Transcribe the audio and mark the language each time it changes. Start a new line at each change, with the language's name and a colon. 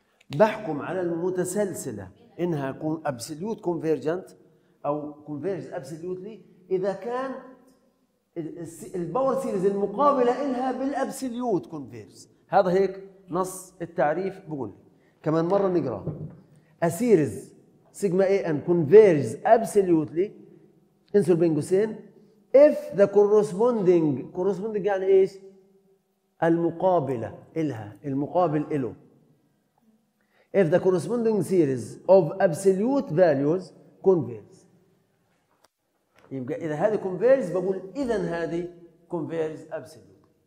Arabic: بحكم على المتسلسلة إنها
English: absolute convergent
Arabic: أو
English: converges absolutely
Arabic: إذا كان الباور سيريز المقابلة إلها بالأبسوليوت
English: converges.
Arabic: هذا هيك نص التعريف بقول. كمان مرة نقرأ.
English: A series sigma a n converges absolutely.
Arabic: انسوا بين قوسين.
English: If the corresponding
Arabic: يعني إيش؟ المقابلة إلها. المقابل إله.
English: If the corresponding series of absolute values converges.
Arabic: يبقى إذا هذه
English: converges
Arabic: بقول إذا هذه
English: converges absolutely.